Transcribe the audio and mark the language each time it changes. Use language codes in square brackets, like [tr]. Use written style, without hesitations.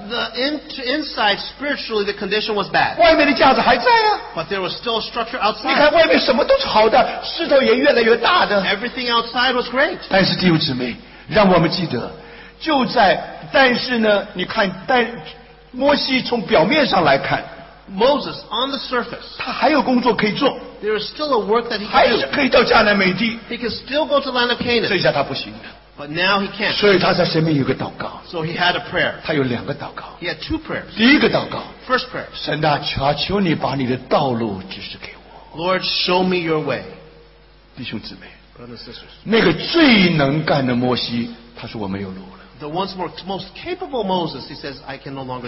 [en] The inside, spiritually, the condition was bad. [zh] 外面的架子还在啊, [en] but there was still a structure outside. [zh] 你看外面什么都是好的, 石头也越来越大的。 [en] Everything outside was great. [zh] 但是弟兄姊妹, 让我们记得, 但是呢，你看，摩西从表面上来看， [en] Moses on the surface， [zh] 他还有工作可以做， [en] there is still a work that he can do， [zh] 还是可以到迦南美地， [en] he can still go to the land of Canaan， [zh] 这下他不行， [en] but now he can't， [zh] 所以他在神面有个祷告， [en] so he had a prayer， [zh] 他有两个祷告， [en] he had two prayers， [zh] 第一个祷告， [en] first prayer， [zh] 神啊， 求你把你的道路指示给我， [en] Lord show me your way， [zh] 弟兄姊妹， [en] brothers and sisters， [zh] 那个最能干的摩西， 他说我没有路， [en] the once more most capable Moses, he says, I can no longer